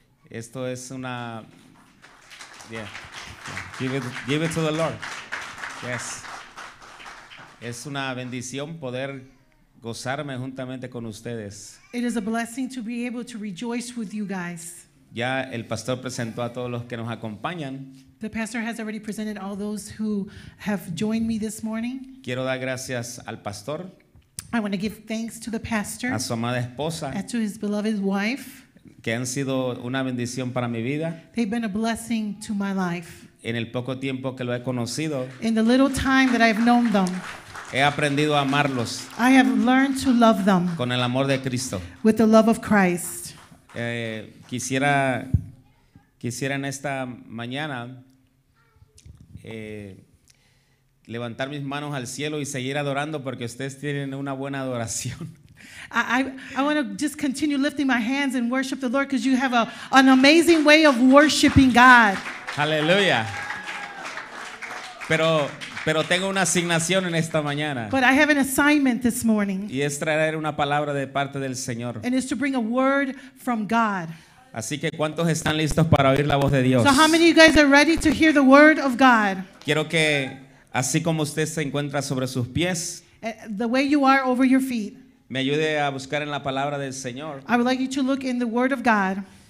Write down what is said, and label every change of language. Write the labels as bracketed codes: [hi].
[es] Esto es una... [en] Yeah. Give it to the Lord. Yes. [es] Es una bendición poder... gozarme juntamente con ustedes. [en] It is a blessing to be able to rejoice with you guys. [es] Ya el pastor presentó a todos los que nos acompañan. [en] The pastor has already presented all those who have joined me this morning. [es] Quiero dar gracias al pastor. [en] I want to give thanks to the pastor. [es] A su amada esposa. [en] And to his beloved wife. [es] Que han sido una bendición para mi vida. [en] They've been a blessing to my life. [es] En el poco tiempo que lo he conocido. [en] In the little time that I've known them. [es] He aprendido a amarlos. [en] I have learned to love them. [es] Con el amor de Cristo. [en] With the love of Christ. [es] Quisiera en esta mañana levantar mis manos al cielo y seguir adorando porque ustedes tienen una buena adoración. [en] I want to just continue lifting my hands and worship the Lord because you have an amazing way of worshiping God. [es] Hallelujah. Pero tengo una asignación en esta mañana. [en] But I have an assignment this morning. [es] Y es traer una palabra de parte del Señor. [en] And it's to bring a word from God. [es] Así que ¿cuántos están listos para oír la voz de Dios? [en] So how many of you guys are ready to hear the word of God? [es] Quiero que así como usted se encuentra sobre sus pies, [en] the way you are over your feet, [es] me ayude a buscar en la palabra del Señor. [en] I would like you to look in the word of God.